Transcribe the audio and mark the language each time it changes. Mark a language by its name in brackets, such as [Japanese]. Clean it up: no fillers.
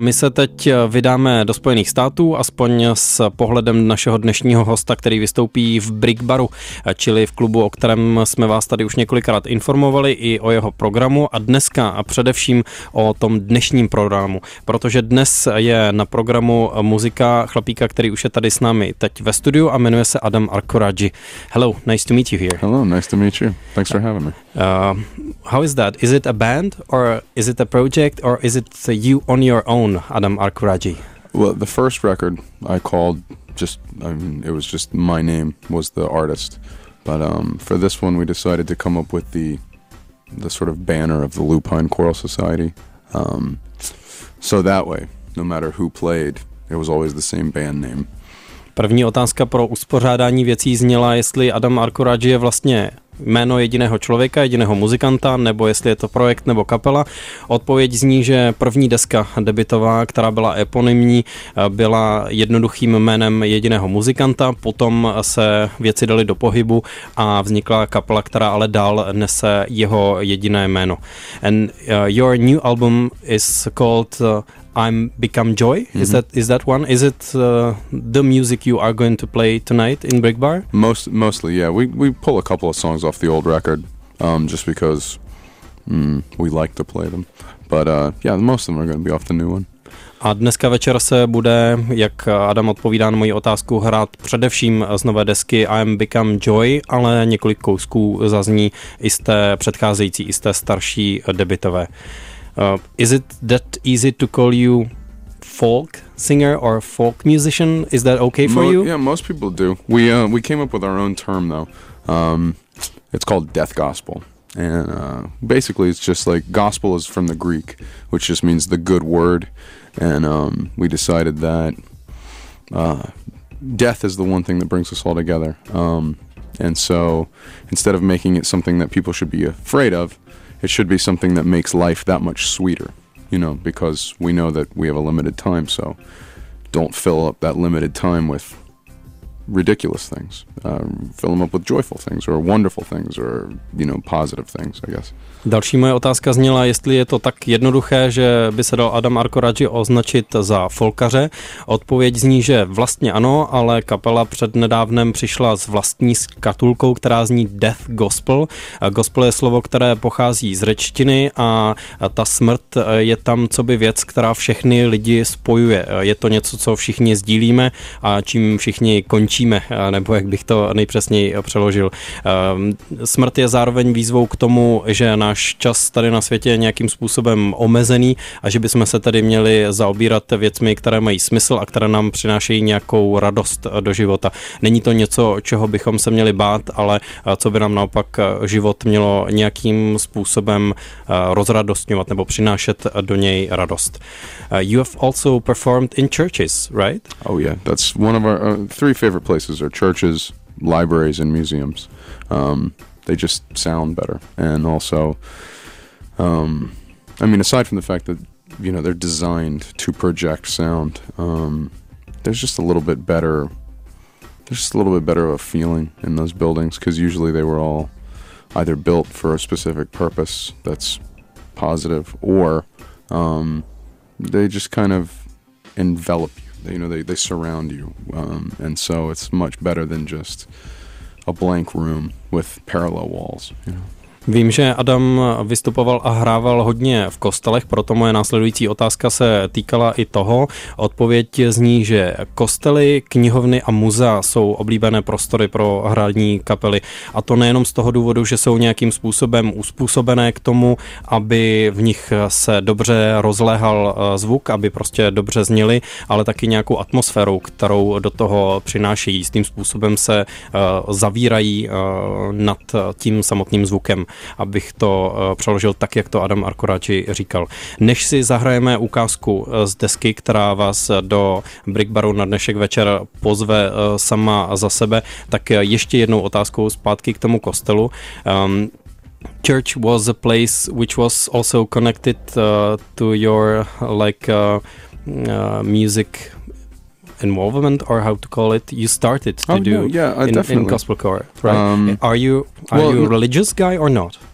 [Czech] My se teď vydáme do Spojených států, aspoň s pohledem našeho dnešního hosta, který vystoupí v Brick Baru, čili v klubu, o kterém jsme vás tady už několikrát informovali i o jeho programu a dneska a především o tom dnešním programu. Protože dnes je na programu muzika chlapíka, který už je tady s námi teď ve studiu a jmenuje se Adam Arkuragi. [English] Hello, nice to meet you here. Hello, nice to meet you. Thanks for having me. How is that? Is it a band or is it a project or is it you on your own, Adam Arkuragi? Well, the first record I called just, I mean, it was just my name was the artist. But for this one, we decided to come up with the sort of banner of the Lupine Choral Society. So that way, no matter who played, it was always the same band name. [Czech] První otázka pro uspořádání věcí zněla, jestli Adam Arkuragi je vlastně jméno jediného člověka, jediného muzikanta, nebo jestli je to projekt nebo kapela. Odpověď zní, že první deska debutová, která byla eponymní, byla jednoduchým jménem jediného muzikanta, potom se věci daly do pohybu a vznikla kapela, která ale dál nese jeho jediné jméno. [English] And your new album is called I'm Become Joy. Mm-hmm. Is that one? Is it the music you are going to play tonight in Brick Bar? Mostly, yeah. We pull a couple of songs off the old record, just because we like to play them. But yeah, most of them are going to be off the new one. [Czech] A dneska večer se bude, jak Adam odpovídá na moji otázku, hrát především z nové desky I'm Become Joy, ale několik kousků zazní i z té předcházející, i z té starší debutové. [English] Is it that easy to call you folk singer or folk musician? Is that okay for you? Yeah, most people do. We came up with our own term though. It's called death gospel. And basically it's just like gospel is from the Greek, which just means the good word. And we decided that death is the one thing that brings us all together. And so instead of making it something that people should be afraid of, it should be something that makes life that much sweeter, you know, because we know that we have a limited time, so don't fill up that limited time with ridiculous things. Fill them up with joyful things or wonderful things or, you know, positive things, I guess. [Czech] Další moje otázka zněla, jestli je to tak jednoduché, že by se dal Adam Arkuragi označit za folkaře. Odpověď zní, že vlastně ano, ale kapela přednedávnem přišla s vlastní skatulkou, která zní Death Gospel. Gospel je slovo, které pochází z řečtiny a ta smrt je tam coby věc, která všechny lidi spojuje. Je to něco, co všichni sdílíme a čím všichni končíme, nebo jak bych to nejpřesněji přeložil. Smrt je zároveň výzvou k tomu, že náš čas tady na světě je nějakým způsobem omezený a že bychom se tady měli zaobírat věcmi, které mají smysl a které nám přinášejí nějakou radost do života. Není to něco, čeho bychom se měli bát, ale co by nám naopak život mělo nějakým způsobem rozradostňovat nebo přinášet do něj radost. [English] You have also performed in churches, right? Oh yeah, that's one of our three favorite places are churches, libraries and museums. They just sound better. And also, I mean, aside from the fact that, you know, they're designed to project sound, there's just a little bit better of a feeling in those buildings, because usually they were all either built for a specific purpose that's positive, or they just kind of envelop you. They surround you. And so it's much better than just a blank room with parallel walls. [Czech] Vím, že Adam vystupoval a hrával hodně v kostelech, proto moje následující otázka se týkala i toho. Odpověď zní, že kostely, knihovny a muzea jsou oblíbené prostory pro hraní kapely. A to nejenom z toho důvodu, že jsou nějakým způsobem uspůsobené k tomu, aby v nich se dobře rozléhal zvuk, aby prostě dobře zněly, ale taky nějakou atmosférou, kterou do toho přinášejí. S tím způsobem se zavírají nad tím samotným zvukem. Abych to přeložil tak, jak to Adam Arkuragi říkal. Než si zahrajeme ukázku z desky, která vás do Brick Baru na dnešek večer pozve sama za sebe, tak ještě jednou otázku zpátky k tomu kostelu. [English] Church was a place which was also connected to your like music involvement, or how to call it, you started to Yeah, in gospel choir, right? Are you religious guy or not?